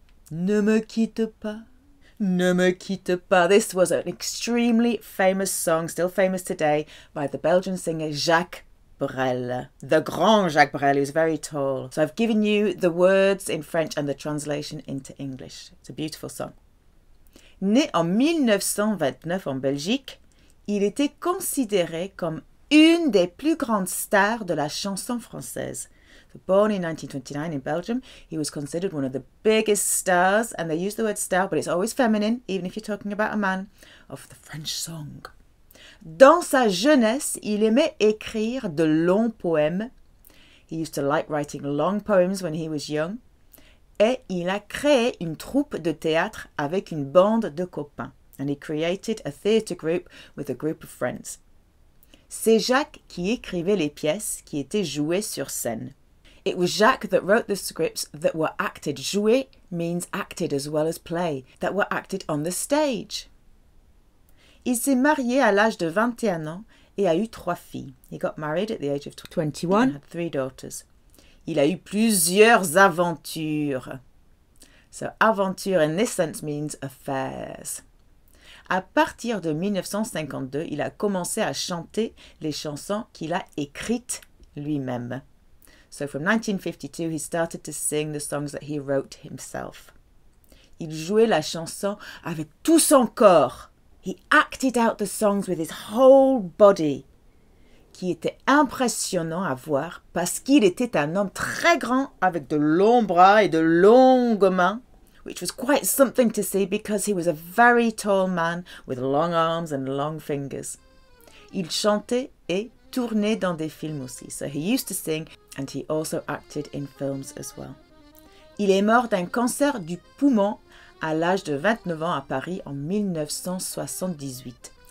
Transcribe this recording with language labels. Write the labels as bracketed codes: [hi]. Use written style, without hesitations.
[fr] Ne me quitte pas. Ne me quitte pas. [en] This was an extremely famous song, still famous today, by the Belgian singer Jacques Brel. The grand Jacques Brel, who's very tall. So I've given you the words in French and the translation into English. It's a beautiful song. [fr] Né en 1929 en Belgique, il était considéré comme une des plus grandes stars de la chanson française. [en] Born in 1929 in Belgium, he was considered one of the biggest stars, and they use the word star, but it's always feminine, even if you're talking about a man, of the French song. [fr] Dans sa jeunesse, il aimait écrire de longs poèmes. [en] He used to like writing long poems when he was young. [fr] Et il a créé une troupe de théâtre avec une bande de copains. [en] And he created a theatre group with a group of friends. [fr] C'est Jacques qui écrivait les pièces qui étaient jouées sur scène. [en] It was Jacques that wrote the scripts that were acted. Jouer means acted as well as play, that were acted on the stage. [fr] Il s'est marié à l'âge de 21 ans et a eu trois filles. [en] He got married at the age of 21 and had three daughters. [fr] Il a eu plusieurs aventures. [en] So aventure in this sense means affairs. [fr] À partir de 1952, il a commencé à chanter les chansons qu'il a écrites lui-même. [en] So from 1952, he started to sing the songs that he wrote himself. [fr] Il jouait la chanson avec tout son corps. [en] He acted out the songs with his whole body. [fr] qui était impressionnant à voir parce qu'il était un homme très grand avec de longs bras et de longues mains, [en] which was quite something to see because he was a very tall man with long arms and long fingers. [fr] Il chantait et tournait dans des films aussi. [en] So he used to sing and he also acted in films as well. [fr] Il est mort d'un cancer du poumon à l'âge de 29 ans à Paris en 1978.